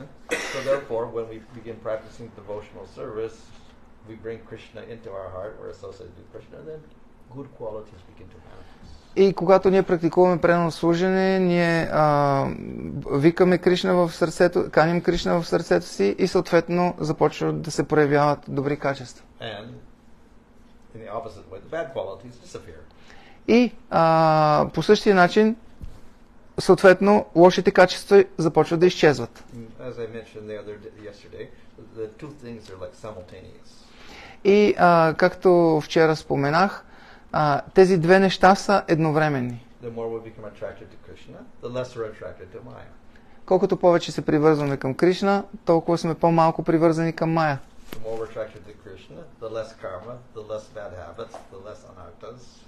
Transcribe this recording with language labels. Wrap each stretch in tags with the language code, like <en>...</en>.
<en>So therefore, when we begin practicing devotional service, we bring Krishna into our heart, we're associated with Krishna, then good qualities begin to manifest.</en> <bg>И когато ние практикуваме преданно служене, ние викаме Кришна в сърцето, каним Кришна в сърцето си и съответно започват да се проявяват добри качества.</bg> <en>And in the opposite way, the bad qualities disappear.</en> <bg>И по същия начин, съответно, лошите качества започват да изчезват.</bg> <en>As I mentioned the other yesterday, the two things are like simultaneous.</en> <bg>И както вчера споменах, тези две неща са едновременни.</bg> <en>The more we become attracted to Krishna, the less we're attracted to Maya.</en> <bg>Колкото повече се привързваме към Кришна, толкова сме по-малко привързани към Maya.</bg> <en>The more we're attracted to Krishna, the less karma, the less bad habits, the less anarthas.</en>